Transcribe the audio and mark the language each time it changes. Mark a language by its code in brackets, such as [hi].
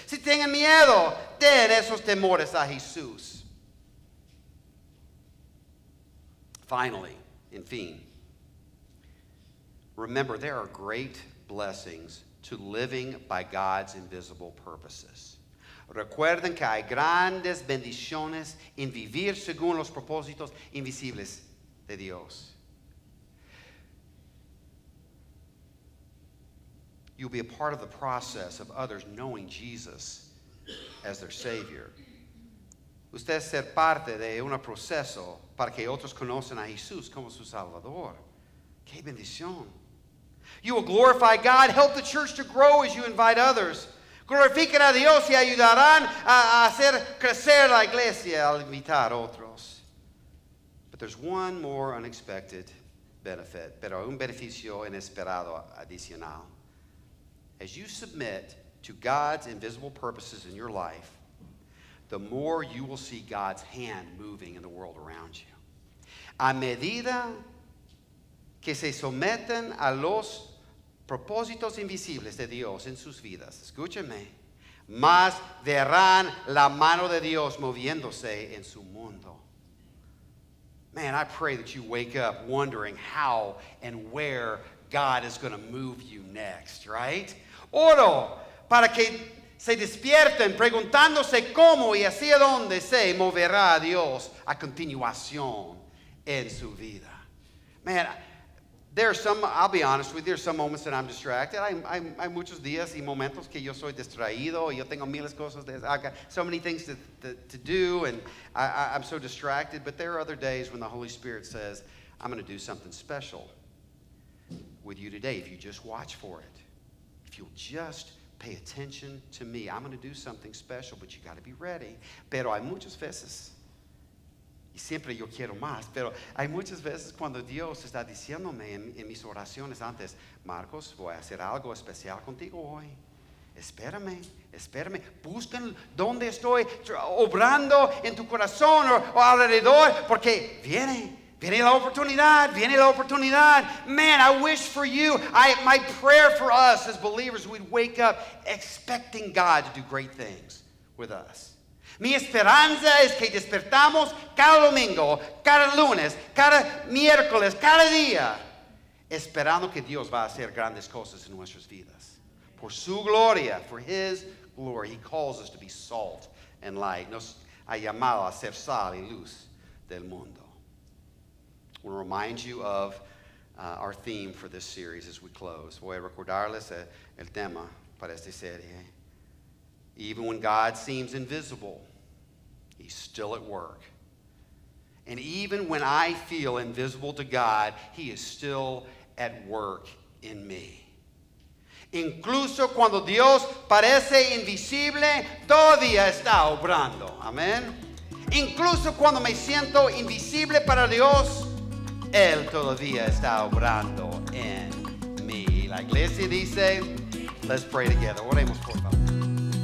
[es] Si tienen miedo, den esos temores a Jesús. [en] Finally, [es] en fin, [en] remember there are great blessings to living by God's invisible purposes. [es] Recuerden que hay grandes bendiciones en vivir según los propósitos invisibles de Dios. [en] You'll be a part of the process of others knowing Jesus as their Savior. [es] Usted ser parte de un proceso para que otros conozcan a Jesús como su Salvador. ¡Qué bendición! [en] You will glorify God. Help the church to grow as you invite others. [es] Glorifiquen a Dios y ayudarán a hacer crecer la iglesia al invitar otros. [en] But there's one more unexpected benefit, [es] pero un beneficio inesperado adicional. [en] As you submit to God's invisible purposes in your life, the more you will see God's hand moving in the world around you. [es] A medida que se someten a los propósitos invisibles de Dios en sus vidas, escúchenme, más verán la mano de Dios moviéndose en su mundo. [en] Man, I pray that you wake up wondering how and where God is going to move you next, right? [es] Oro para que se despierten preguntándose cómo y hacia dónde se moverá Dios a continuación en su vida. [en] Man, there are some, I'll be honest with you, there are some moments that I'm distracted. [es] Hay muchos días y momentos que yo soy distraído. Yo tengo miles de cosas. [en] I've got so many things to do, and I'm so distracted. But there are other days when the Holy Spirit says, I'm going to do something special with you today. If you just watch for it, if you'll just pay attention to me, I'm going to do something special, but you got to be ready. [es] Pero hay muchas veces, y siempre yo quiero más, pero hay muchas veces cuando Dios está diciéndome en mis oraciones antes, Marcos, voy a hacer algo especial contigo hoy. Espérame, espérame. Busquen dónde estoy obrando en tu corazón o alrededor, porque viene. Viene la oportunidad, viene la oportunidad. [en] Man, I wish for you. My prayer for us as believers, we'd wake up expecting God to do great things with us. [es] Mi esperanza es que despertamos cada domingo, cada lunes, cada miércoles, cada día, esperando que Dios va a hacer grandes cosas en nuestras vidas. Por su gloria, [en] for his glory, he calls us to be salt and light. [es] Nos ha llamado a ser sal y luz del mundo. [en] I want to remind you of our theme for this series as we close. [es] Voy a recordarles el tema para esta serie. [en] Even when God seems invisible, he's still at work. And even when I feel invisible to God, he is still at work in me. [es] Incluso cuando Dios parece invisible, todavía está obrando. Amen. Incluso cuando me siento invisible para Dios, Él todavía está obrando en mí. La iglesia dice, [en] let's pray together. [es] Oremos, por favor.